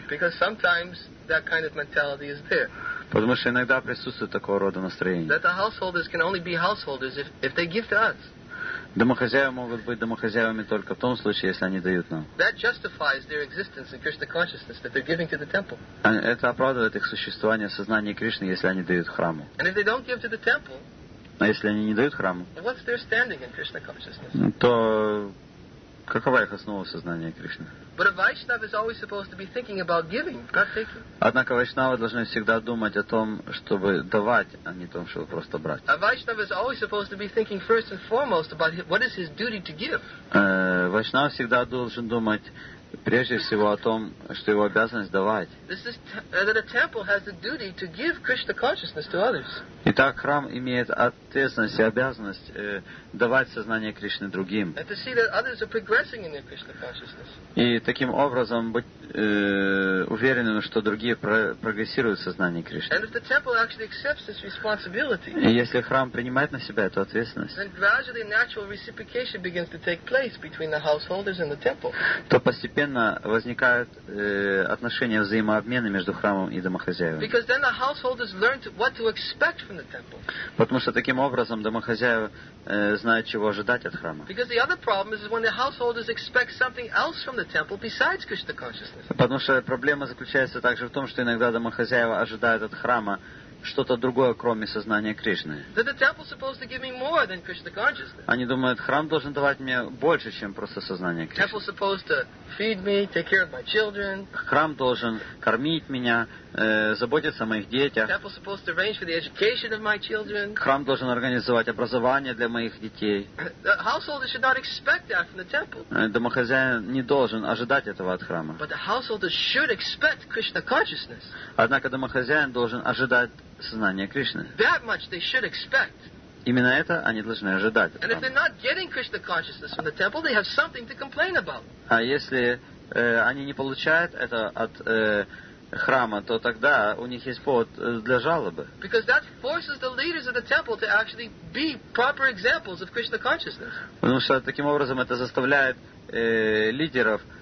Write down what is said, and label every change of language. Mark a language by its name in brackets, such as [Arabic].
[English] Because sometimes that kind of mentality is there. [Russian] Потому что иногда присутствует такого рода настроение. [English] That the householders can only be householders if they give to us. [Russian] Домохозяева могут быть домохозяевами только в том случае, если они дают нам. [English] That justifies their existence in Krishna consciousness, that they're giving to the temple. [Russian] Это оправдывает их существование в сознании Кришны, если они дают храму. [English] And if they don't give to the temple, [Russian] а если они не дают храму, [English] what's their standing in Krishna consciousness? [Russian] То какова их основа сознания Кришны? [English] But a Vaishnava is always supposed to be thinking about giving, not taking. [Russian] Однако Вайшнава должны всегда думать о том, чтобы давать, а не о том, чтобы просто брать. [English] A Vaishnava is always supposed to be thinking first and foremost about what is his duty to give. [Russian] Вайшнава всегда должен думать прежде всего о том, что его обязанность давать. [English] This is that a temple has the duty to give Krishna consciousness to others. [Russian] Итак, храм имеет ответственность и обязанность давать сознание Кришны другим. [English] And to see that others are progressing in their Krishna consciousness. [Russian] И таким образом быть уверенным, что другие прогрессируют в сознании Кришны. [English] And if the temple actually accepts this responsibility, [Russian] и если храм принимает на себя эту ответственность, [English] then gradually natural reciprocation begins to take place between the householders and the temple. [Russian] То постепенно возникают отношения взаимообмена между храмом и домохозяевами. [English] Because then the householders learn what to expect from the temple. [Russian] Потому что таким образом домохозяева знают, чего ожидать от храма. [English] Because the other problem is when the householders expect something else from the temple besides Krishna consciousness. [Russian] Потому что проблема заключается также в том, что иногда домохозяева ожидают от храма что-то другое, кроме сознания Кришны. [English] That the temple is supposed to give me more than Krishna consciousness. [Russian] Они думают, храм должен давать мне больше, чем просто сознание Кришны. [English] Temple is supposed to feed me, take care of my children. [Russian] Храм должен кормить меня, заботиться о моих детях. [English] Temple is supposed to arrange for the education of my children. [Russian] Храм должен организовать образование для моих детей. [English] The householder should not expect that from the temple. [Russian] Домохозяин не должен ожидать этого от храма. [English] But the householder should expect Krishna consciousness. [Russian] Однако домохозяин должен ожидать сознание Кришны. [English] That much they should expect. [Russian] Именно это они должны ожидать. [English] And if they're not getting Krishna consciousness from the temple, they have something to complain about. [Russian] А если они не получают это от храма, то тогда у них есть повод для жалобы. [English] Because that forces the leaders of the temple to actually be proper examples of Krishna consciousness. [Russian] Потому что таким образом это заставляет лидеров